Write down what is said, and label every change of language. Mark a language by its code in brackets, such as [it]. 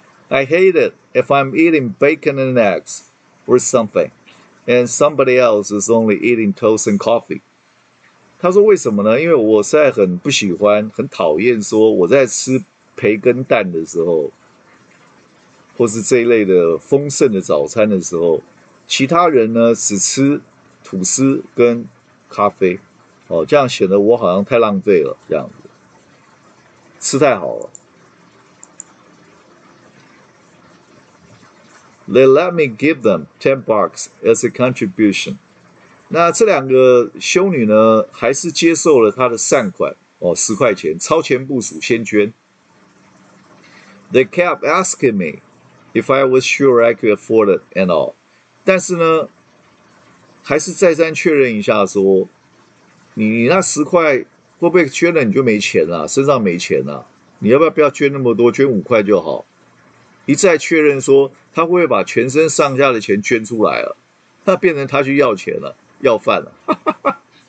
[en] I hate it if I'm eating bacon and eggs or something。 And somebody else is only eating toast and coffee。 [zh] 他说："为什么呢？因为我现在很不喜欢，很讨厌说我在吃培根蛋的时候，或是这一类的丰盛的早餐的时候，其他人呢只吃吐司跟咖啡，哦，这样显得我好像太浪费了，这样子，吃太好了。" [en] They let me give them $10 as a contribution。 [zh] 那这两个修女呢，还是接受了他的善款，哦，10块钱，超前部署，先捐。 [en] They kept asking me if I was sure I could afford it and all。 [zh] 但是呢，还是再三确认一下说，你那10块会不会捐了你就没钱了，身上没钱了？你要不要不要捐那么多，捐5块就好。一再确认说，他会把全身上下的钱捐出来了，那变成他去要钱了，要饭了，